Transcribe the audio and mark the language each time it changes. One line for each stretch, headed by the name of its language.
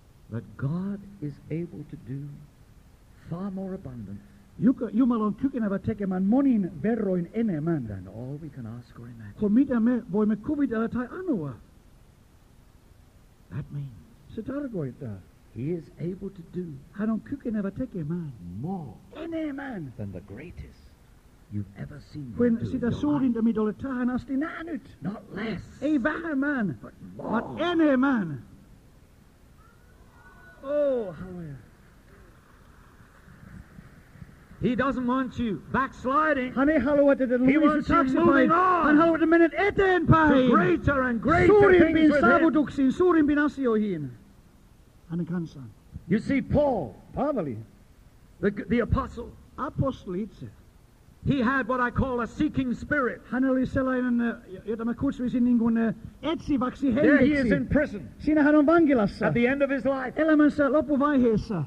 English: that God is able to do far more abundant.
Finnish: Jumala on kykenevä tekemään monin verroin enemmän
English: than all we can ask or imagine.
Finnish: Kuin mitä me voimme kuvitella tai anoa.
English: That means.
Finnish: Se tarkoittaa.
English: He is able to do.
Finnish: Hän on kykenevä tekemään
English: more
Finnish: enemmän
English: than the greatest you've ever seen.
Finnish: Kuin sitä suurinta mitä olet tähän asti nähnyt.
English: Not less.
Finnish: Ei vähemmän.
English: But more.
Finnish: But enemmän.
English: Oh, hallelujah. He doesn't want you backsliding.
Finnish: Hän ei halua, että
English: he wants you moving on.
Finnish: Hän haluaa, että menet eteenpäin.
English: To greater and greater things with him.
Finnish: Suurimpiin asioihin. Hänen kanssaan.
English: You see, Paul.
Finnish: Paavali.
English: The apostle.
Finnish: Apostoli itse.
English: He had what I call a seeking spirit.
Finnish: Hän oli sellainen, jota mä kutsuisin niin kuin etsiväksi henkeksi.
English: There he is in prison.
Finnish: Siinä hän on vankilassa.
English: At the end of his life.
Finnish: Elämänsä loppuvaiheessa.